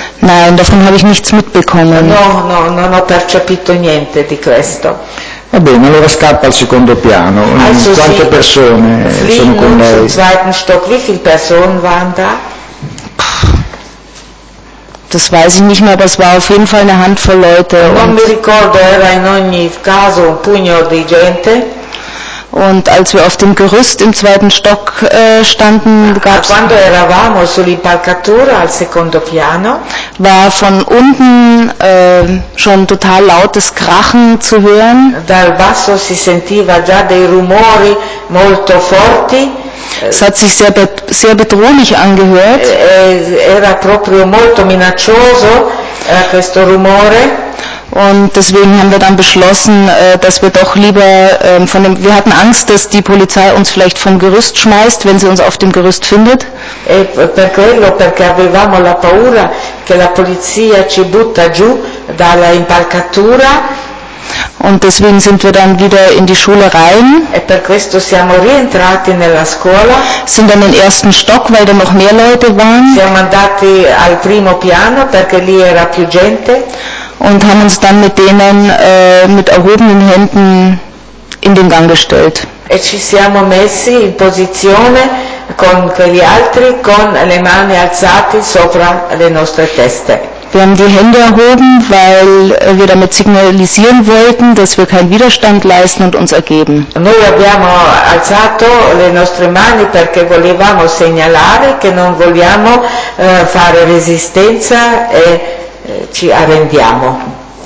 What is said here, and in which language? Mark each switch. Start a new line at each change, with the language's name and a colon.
German: Nein, davon habe ich nichts mitbekommen.
Italian: No, non ho percepito niente di questo. Va bene, allora scappa al secondo piano. Also quante
German: Sie
Italian: persone sono con lei?
German: Im zweiten Stock, wie viele Personen waren da? Das weiß ich nicht mehr, aber es war auf jeden Fall eine Handvoll Leute.
Italian: Non mi ricordo, era in ogni caso un pugno di gente.
German: Und als wir auf dem Gerüst im zweiten Stock standen, gab es...
Italian: Quando eravamo sull'impalcatura al secondo piano,
German: war von unten schon total lautes Krachen zu hören.
Italian: Dal basso si sentiva già dei rumori molto forti.
German: Es hat sich sehr bedrohlich angehört.
Italian: Era proprio molto minaccioso questo rumore.
German: Und deswegen haben wir dann beschlossen, dass wir doch lieber von dem. Wir hatten Angst, dass die Polizei uns vielleicht vom Gerüst schmeißt, wenn sie uns auf dem Gerüst findet.
Italian: E per quello, perché avevamo la paura che la polizia ci butta giù dalla impalcatura.
German: Und deswegen sind wir dann wieder in die Schule rein.
Italian: E per questo siamo rientrati nella scuola.
German: Sind dann in den ersten Stock, weil da noch mehr Leute waren.
Italian: Siamo andati al primo piano perché lì era più gente.
German: Und haben uns dann mit denen mit erhobenen Händen in den Gang gestellt.
Italian: E ci siamo messi in posizione con quegli altri con le mani alzate sopra le nostre teste.
German: Wir haben die Hände erhoben, weil wir damit signalisieren wollten, dass wir keinen Widerstand leisten und uns ergeben.
Italian: Noi abbiamo alzato le nostre mani perché volevamo segnalare che non vogliamo fare resistenza e ci arrendiamo.